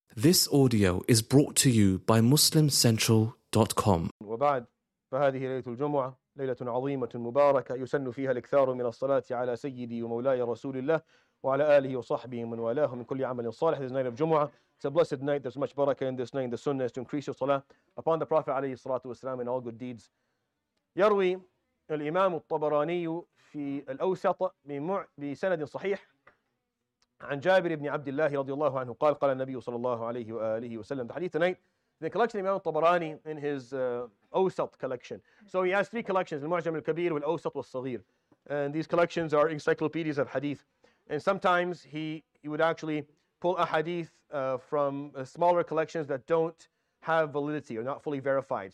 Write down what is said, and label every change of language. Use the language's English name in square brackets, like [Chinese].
[English] This audio is brought to you by MuslimCentral.com. [Arabic] وبعد فهذه ليلة الجمعة ليلة عظيمة مباركة يسن فيها الإكثار من الصلاة على سيدي ومولاي رسول الله وعلى آله وصحبه من والاه من كل عمل صالح. [English] This night of Jumu'ah, it's a blessed night. There's much barakah in this night. The sunnah is to increase your salah upon the Prophet [Arabic] عليه الصلاة والسلام [English] and all good deeds. [Arabic] يروي الإمام الطبراني في الأوسط بسند صحيح عن جابر بن عبد الله رضي الله عنه قال قال النبي صلى الله عليه وآله وسلم. [English] The hadith tonight, the collection of Imam al-Tabarani in his Awsat collection. So he has three collections, Al-Mu'jam al-Kabir, Al-Awsat, Al-Saghir. And these collections are encyclopedias of hadith. And sometimes he would actually pull a hadith from smaller collections that don't have validity or not fully verified.